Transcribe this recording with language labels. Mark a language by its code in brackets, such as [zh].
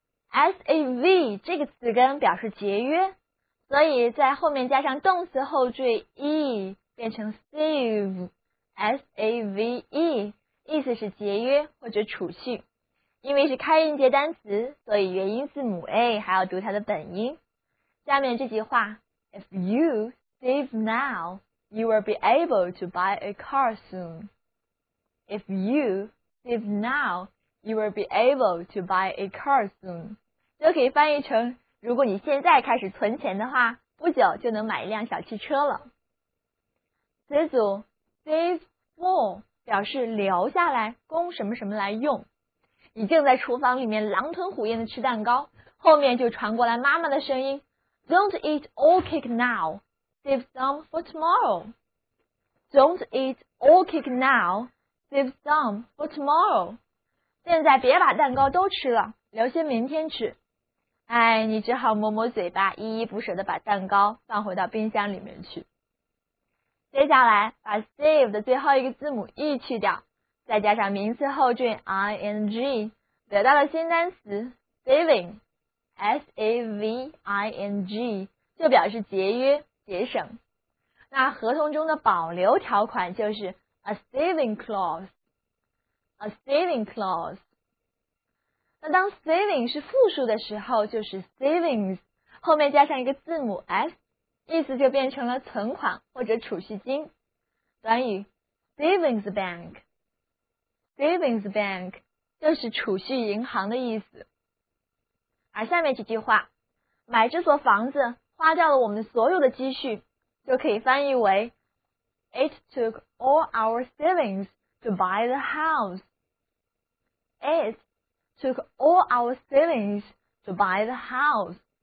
[zh] SAV 这个词根表示节约，所以在后面加上动词后缀 E 变成 save， SAVE 意思是节约或者储蓄。因为是开音节单词，所以元音字母 A 还要读它的本音。下面这句话 [en] If you save now, you will be able to buy a car soon. If you save now, you will be able to buy a car soon. [zh] 就可以翻译成如果你现在开始存钱的话，不久就能买一辆小汽车了。词组 save for 表示留下来供什么什么来用。你正在厨房里面狼吞虎咽的吃蛋糕，后面就传过来妈妈的声音， [en] Don't eat all cake now, save some for tomorrow. Don't eat all cake now, save some for tomorrow. [zh] 现在别把蛋糕都吃了，留些明天吃。哎，你只好摸摸嘴巴，依依不舍地把蛋糕放回到冰箱里面去。接下来把 save 的最后一个字母 e 去掉，再加上名词后缀 ing， 得到了新单词 saving， S-A-V-I-N-G， 就表示节约、节省。那合同中的保留条款就是 a saving clause， a saving clause。那当 saving 是复数的时候就是 savings， 后面加上一个字母 s， 意思就变成了存款或者储蓄金。短语 savings bankSavings bank 就是储蓄银行的意思。而下面几句话，买这所房子花掉了我们所有的积蓄，就可以翻译为 [en] It took all our savings to buy the house. It took all our savings to buy the house.